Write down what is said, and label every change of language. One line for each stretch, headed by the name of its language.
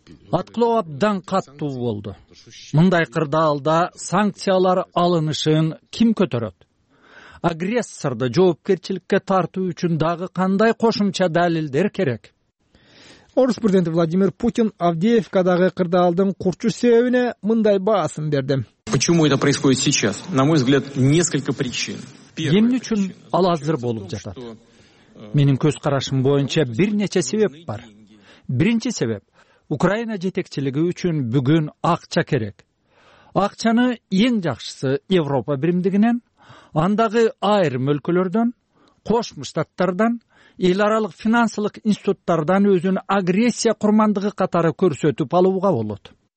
Kyrgyz: Аткылоо абдан каттуу болду. Мындай кырдаалда санкциялар алынышын ким көтөрөт? Агрессорду жоопкерчиликке тартуу үчүн дагы кандай кошумча далилдер керек? Орус президенти Владимир Путин Авдеевкадагы кырдаалдын курчу себебине мындай баасын берди.
Russian: Почему это происходит сейчас? На мой взгляд, несколько причин.
Kyrgyz: Эмне үчүн ал азыр болуп жатат? Менин көз карашым боюнча бир нече себеп бар. Биринчи себеп Украина жетекчилиги үчүн бүгүн акча керек. Акчаны эң жакшысы Европа биримдигинен, андагы айрым өлкөлөрдөн, Кошмо Штаттардан, эл аралык финансылык институттардан өзүн агрессия курмандыгы катары көрсөтүп алууга болот.